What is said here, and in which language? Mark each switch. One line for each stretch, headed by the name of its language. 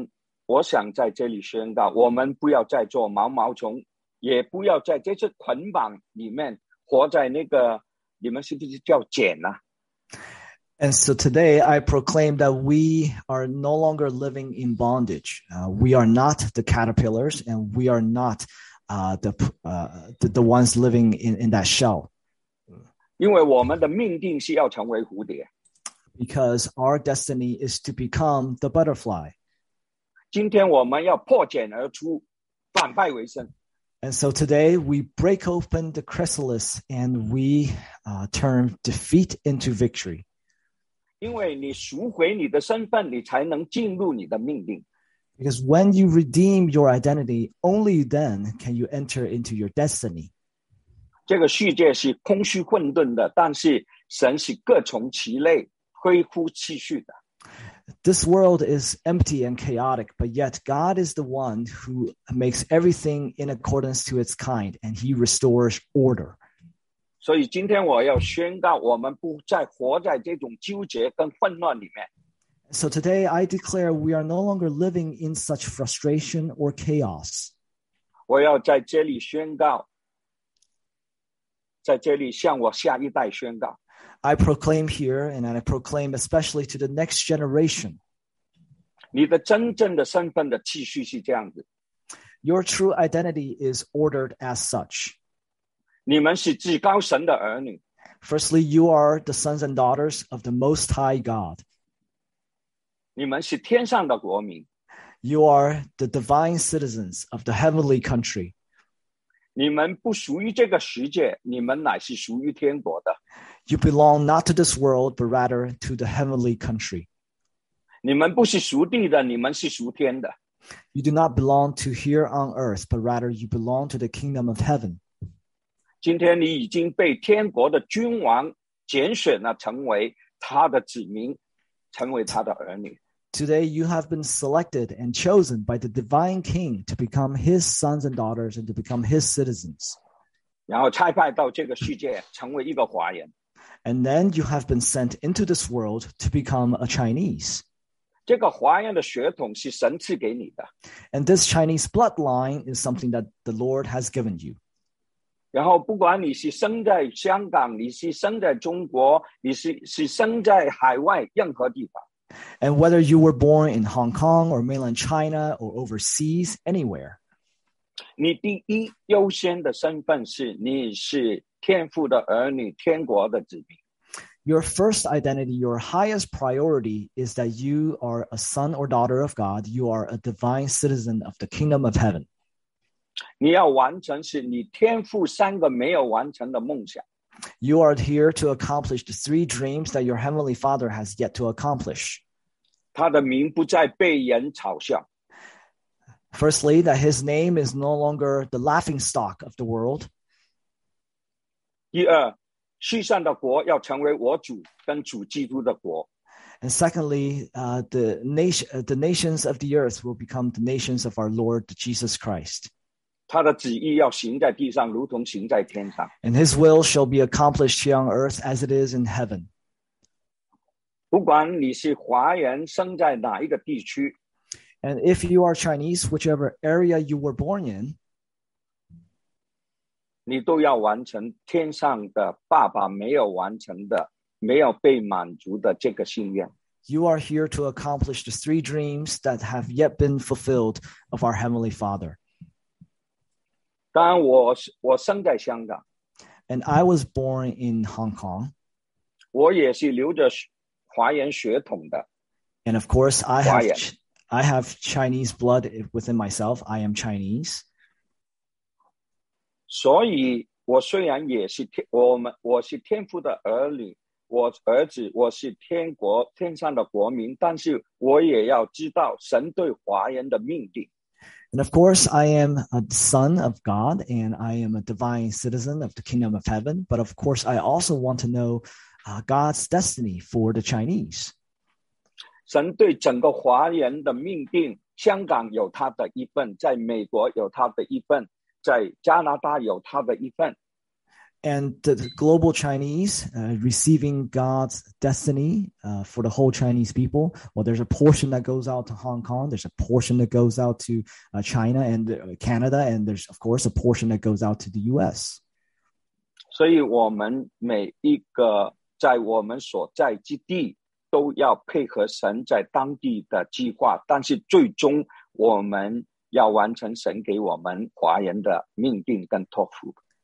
Chinese: 今天我想在这里宣告, 我们不要再做毛毛虫, 也不要在这些捆绑里面, 活在那个, 你们是不是叫茧啊?
English: And so today, I proclaim that we are no longer living in bondage. We are not the caterpillars, and we are not the ones living in that shell.
Chinese: 因为我们的命定是要成为蝴蝶。
English: Because our destiny is to become the butterfly.
Chinese: 今天我们要破茧而出, 反败为胜。
English: And so today, we break open the chrysalis, and we turn defeat into victory.
Chinese: 因为你赎回你的身份，你才能进入你的命定。
English: Because when you redeem your identity, only then can you enter into your destiny.
Chinese: 这个世界是空虚混沌的，但是神是各从其类，恢复秩序的。
English: This world is empty and chaotic, but yet God is the one who makes everything in accordance to its kind, and he restores order.
Chinese: 所以今天我要宣告，我们不再活在这种纠结跟混乱里面。
English: So today I declare we are no longer living in such frustration or chaos.
Chinese: 我要在这里宣告，在这里向我下一代宣告。
English: I proclaim here, and I proclaim especially to the next generation.
Chinese: 你的真正的身份的秩序是这样子。
English: Your true identity is ordered as such.
Chinese: 你们是至高神的儿女。
English: Firstly, you are the sons and daughters of the Most High God.
Chinese: 你们是天上的国民。
English: You are the divine citizens of the heavenly country.
Chinese: 你们不属于这个世界，你们乃是属于天国的。
English: You belong not to this world, but rather to the heavenly country.
Chinese: 你们不是属地的，你们是属天的。
English: You do not belong to here on earth, but rather you belong to the kingdom of heaven.
Chinese: 今天你已经被天国的君王拣选了，成为他的子民，成为他的儿女。
English: Today you have been selected and chosen by the divine king to become his sons and daughters and to become his citizens.
Chinese: 然后差派到这个世界，成为一个华人。
English: And then you have been sent into this world to become a Chinese.
Chinese: 这个华人的血统是神赐给你的。
English: And this Chinese bloodline is something that the Lord has given you.
Chinese: 然后不管你是生在香港，你是生在中国，你是生在海外任何地方。
English: And whether you were born in Hong Kong or mainland China or overseas, anywhere.
Chinese: 你第一优先的身份是你是天父的儿女，天国的子民。
English: Your first identity, your highest priority is that you are a son or daughter of God. You are a divine citizen of the kingdom of heaven.
Chinese: 你要完成是你天父三个没有完成的梦想。
English: You are here to accomplish the three dreams that your heavenly father has yet to accomplish.
Chinese: 他的名不再被人嘲笑。
English: Firstly, that his name is no longer the laughingstock of the world.
Chinese: 第二，世上的国要成为我主跟主基督的国。
English: And secondly, the nations of the earth will become the nations of our Lord Jesus Christ.
Chinese: 他的旨意要行在地上，如同行在天上。
English: And his will shall be accomplished here on earth as it is in heaven.
Chinese: 不管你是华人，生在哪一个地区。
English: And if you are Chinese, whichever area you were born in,
Chinese: 你都要完成天上的爸爸没有完成的、没有被满足的这个心愿。
English: You are here to accomplish the three dreams that have yet been fulfilled of our Heavenly Father.
Chinese: 当然我生在香港。
English: And I was born in Hong Kong.
Chinese: 我也是流着华人血统的。
English: And of course, I have Chinese blood within myself. I am Chinese.
Chinese: 所以我虽然也是我是天父的儿女，我儿子，我是天上的国民，但是我也要知道神对华人的命定。
English: And of course, I am a son of God, and I am a divine citizen of the kingdom of heaven. But of course, I also want to know God's destiny for the Chinese.
Chinese: 神对整个华人的命定，香港有他的一份，在美国有他的一份。在加拿大有他的一份。
English: And the global Chinese receiving God's destiny for the whole Chinese people. Well, there's a portion that goes out to Hong Kong. There's a portion that goes out to China and Canada. And there's, of course, a portion that goes out to the U.S.
Chinese: 所以我们每一个在我们所在之地都要配合神在当地的计划，但是最终我们要完成神给我们华人的命定跟托付。